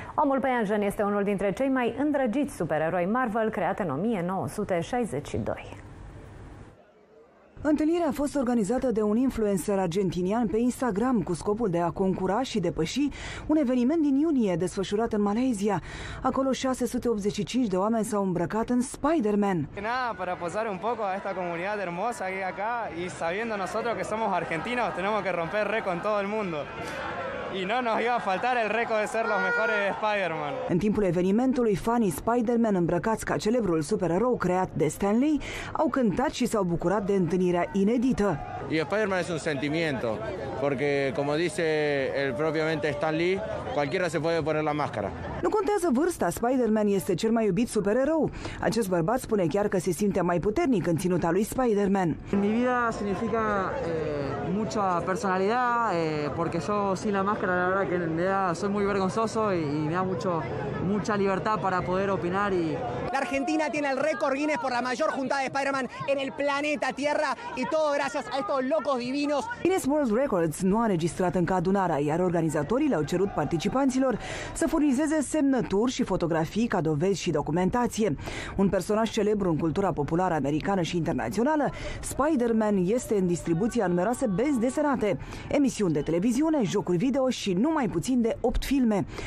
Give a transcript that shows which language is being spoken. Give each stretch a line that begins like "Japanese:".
Romanian: Omul păianjen este unul dintre cei mai îndrăgiți supereroi Marvel, creat în 1962. Întâlnirea a fost organizată de un influencer argentinian pe Instagram cu scopul de a concura și depăși un eveniment din iunie desfășurat în Malaysia. Acolo 685 de oameni s-au îmbrăcat în Spider-Man.
Spanish: Nada, para posar un poco a esta comunidad hermosa que hay acá y sabiendo nosotros que somos argentinos, tenemos que romper récord en todo el mundo. Y no nos iba a faltar el récord de ser los mejores Spider-Man.
Romanian: În timpul evenimentului, fanii Spider-Man îmbrăcați ca celebrul supererou creat de Stan Lee au cântat și s-au bucurat de întâlnirea inedită.
Spanish: Y Spider-Man es un sentimiento, porque como dice el propiamente Stan Lee, cualquiera se puede poner la máscara.
Romanian: Nu contează vârsta, Spider-Man este cel mai iubit supererou. Acest bărbat spune chiar că se simte mai puternic în ținuta lui Spider-Man.
Spanish: Mi vida significa mucha personalidad, porque yo sin la máscara, la verdad que me da, soy muy vergonzoso y me da mucha libertad para poder opinar y... La Argentina tiene el récord Guinness por la mayor juntada de Spider-Man en el planeta Tierra y todo gracias a estos locos divinos.
Romanian: Guinness World Records nu a registrat încă adunarea, iar organizatorii le-au cerut participanților să furnizeze semnături și fotografii ca dovezi și documentație. Un personaj celebru în cultura populară americană și internațională, Spider-Man este în distribuția numeroase benzi desenate, emisiuni de televiziune, jocuri video și numai puțin de 8 filme.